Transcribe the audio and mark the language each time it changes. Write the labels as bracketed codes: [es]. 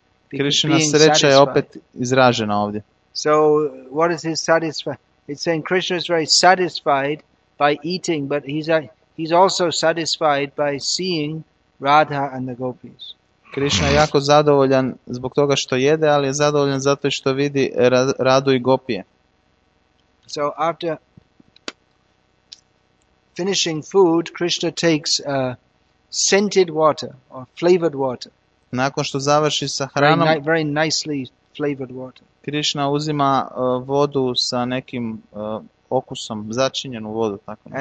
[hr] Krishna sreća je opet izražena ovdje. [en] So what is his satisfaction? It's saying Krishna is very satisfied by eating, but he's also satisfied by seeing Radha and the gopis. [hr] Krishna je jako zadovoljan zbog toga što jede, ali je zadovoljan zato što vidi Radu i gopije. [en] So after finishing food, Krishna takes scented water or flavored water. [hr] Nakon što završi sa hranom, [en] very nicely flavored water. [hr] Krishna uzima vodu sa nekim okusom, začinjenu vodu, tako nešto.